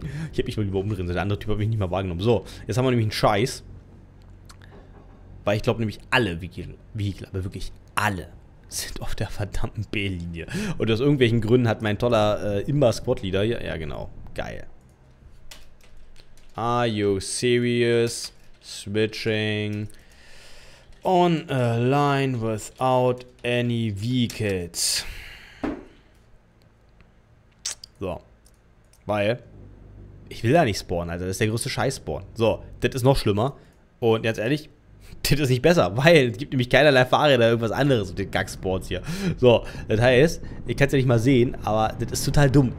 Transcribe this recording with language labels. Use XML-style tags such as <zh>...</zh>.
<de>Ich habe mich mal lieber umdrehen, der andere Typ hat mich nicht mal wahrgenommen. So, jetzt haben wir nämlich einen Scheiß. Weil ich glaube, nämlich alle Vehikel, aber wirklich alle, sind auf der verdammten B-Linie. Und aus irgendwelchen Gründen hat mein toller Imba-Squad-Leader hier. Ja, genau. Geil. Are you serious?</de> <en>Switching on a line without any vehicles. So.</en> <de>Weil ich will da nicht spawnen, Alter. Das ist der größte Scheiß-Spawn. So, das ist noch schlimmer. Und ganz ehrlich, das ist nicht besser, weil es gibt nämlich keinerlei Fahrräder oder irgendwas anderes mit den Gag-Spawns hier. So, das heißt, ich kann es ja nicht mal sehen, aber das ist total dumm.</de>